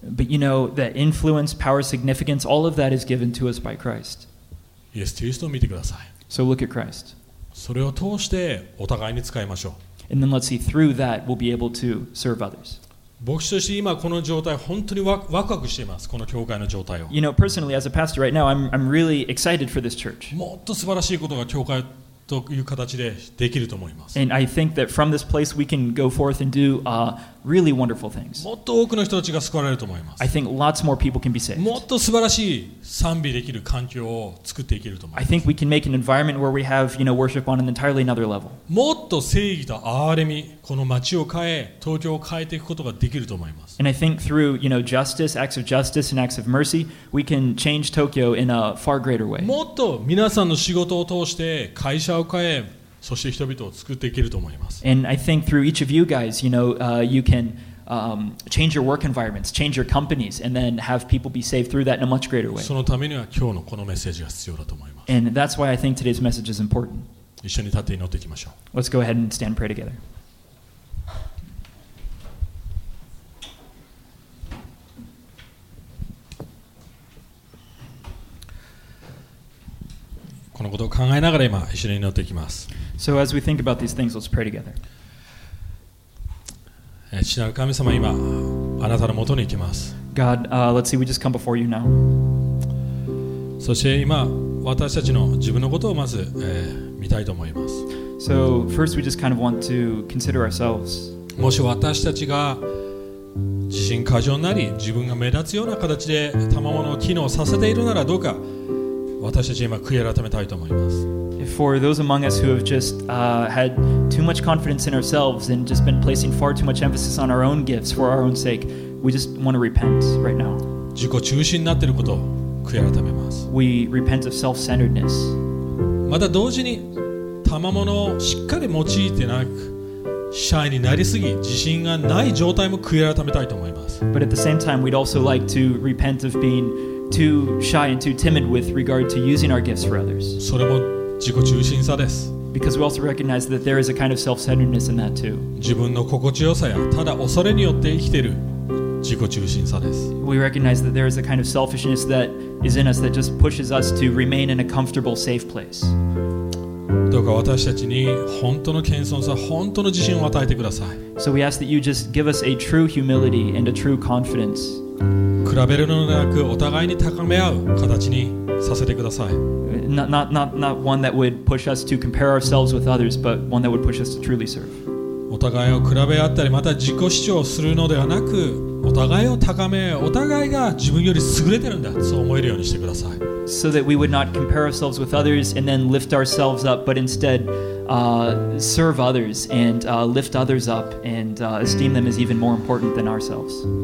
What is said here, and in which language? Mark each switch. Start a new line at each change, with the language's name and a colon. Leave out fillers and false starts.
English: But you know that influence, power, significance, all of that is given to us by Christ.
Japanese: イエス・キリストを見てください。
English: So look at Christ.
Japanese: それを通してお互いに使いましょう。
English: And then let's see, through that we'll be able to serve others.
Japanese: 牧師として今この状態本当にワクワクしていますこの教会の状態を
English: You know, personally, as a pastor right now, I'm really excited for this church.
Japanese: もっと素晴らしいことが教会という形でできると思います
English: And I think that from this place we can go forth and do really wonderful things.
Japanese: もっと多くの人たちが救われると思います
English: I think lots more people can be saved.
Japanese: もっと素晴らしい賛美できる環境を作っていけると思います
English: I think we can make an environment where we have, you know, worship on an entirely another level.
Japanese: もっと正義と憐れみこの街を変え東京を変えていくことができると思います
English: And I think through, you know, justice, acts of justice and acts of mercy, we can change Tokyo in a far greater way.
Japanese: もっと皆さんの仕事を通して会社を変えそして人々を救っていけると思います
English: And I think through each of you guys, you know, you can change your work environments, change your companies, and then have people be saved through that in a much greater way.
Japanese: そのためには今日のこのメッセージが必要だと思います
English: And that's why I think today's message is important.
Japanese: 一緒に立って祈っていきましょう
English: Let's go ahead and stand and pray together.
Japanese: このことを考えながら今一緒に祈っていきます。
English: So as we think about these things, let's pray together.
Japanese: 父なる神様、今あなたの元に行きます。
English: God, let's see, we just come before you now.
Japanese: そして今私たちの自分のことをまず、見たいと思います。
English: So first, we just kind of want to consider ourselves.
Japanese: もし私たちが自信過剰なり自分が目立つような形で賜物を機能させているならどうか。私たち今悔い改めたいと思います。
English: for those among us who have just had too much confidence in ourselves and just been placing far too much emphasis on our own gifts for our own sake, we just want to repent right now.
Japanese: 自己中心になっていることを悔い改めます。
English: We repent of self-centeredness.
Japanese: また同時に賜物をしっかり用いてなく、シャイになりすぎ、自信がない状態も悔い改めたいと思います。
English: But at the same time, we'd also like to repent of being too shy and too timid with regard to using our gifts for others.
Japanese: それも自己中心さです。
English: Because we also recognize that there is a kind of self-centeredness in that too.
Japanese: 自分の心地よさやただ恐れによって生きている自己中心さです。
English: We recognize that there is a kind of selfishness that is in us that just pushes us to remain in a comfortable, safe place.
Japanese: どうか私たちに本当の謙遜さ、本当の自信を与えてください。
English: So we ask that you just give us a true humility and a true confidence.
Japanese: 比べるのではなく、お互いに高め合う形にさせてください。
English: Not one that would push us to compare ourselves with others, but one that would push us to truly serve.
Japanese: お互いを比べ合ったり、また自己主張するのではなく、お互いを高め、お互いが自分より優れてるんだ、そう思えるようにしてください。
English: So that we would not compare ourselves with others and then lift ourselves up, but instead serve others and lift others up and esteem them as even more important than ourselves.